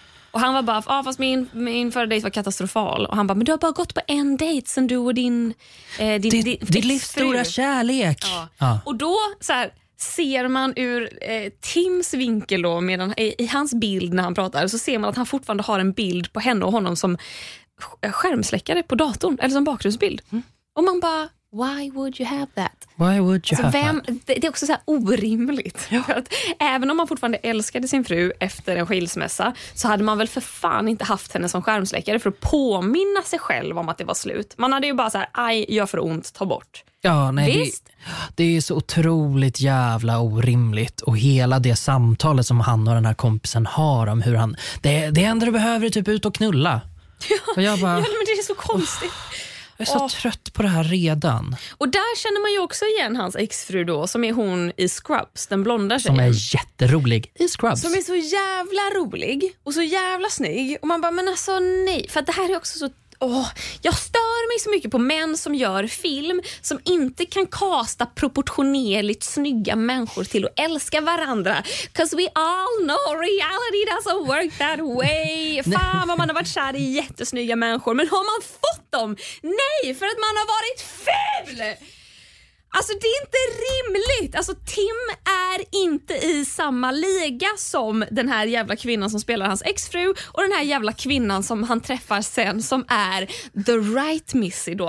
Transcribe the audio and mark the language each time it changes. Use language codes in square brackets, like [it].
[sv] Och han var bara, fast min förra dejt var katastrofal. Och han bara, men du har bara gått på en dejt sen du och din livsstora kärlek. Ja. Ja. Och då så här, ser man ur Tims vinkel då, medan, i hans bild när han pratar, så ser man att han fortfarande har en bild på henne och honom som skärmsläckare på datorn, eller som bakgrundsbild. Mm. Och man bara, [en] why would you have that? Why would you [sv] alltså, [en] have that? [sv] Det är också så här orimligt. Ja. Att även om man fortfarande älskade sin fru efter en skilsmässa, så hade man väl för fan inte haft henne som skärmsläckare för att påminna sig själv om att det var slut. Man hade ju bara så här, aj, gör för ont, ta bort. Ja, nej. Visst? Det är så otroligt jävla orimligt. Och hela det samtalet som han och den här kompisen har om hur han... Det enda du behöver är typ ut och knulla. Ja, och jag bara, ja, men det är så konstigt. Jag är så trött på det här redan. Och där känner man ju också igen hans exfru då, som är hon i Scrubs, den blonda tjejen. Som är jätterolig i Scrubs. Som är så jävla rolig och så jävla snygg. Och man bara, men alltså nej. För att det här är också så... jag stör mig så mycket på män som gör film som inte kan kasta proportionerligt snygga människor till att älska varandra. [en] 'Cause we all know reality doesn't work that way. [sv] Fan vad man har varit kär i jättesnygga människor. Men har man fått dem? Nej, för att man har varit ful! Alltså det är inte rimligt. Alltså Tim är inte i samma liga som den här jävla kvinnan som spelar hans exfru och den här jävla kvinnan som han träffar sen som är the right Missy då.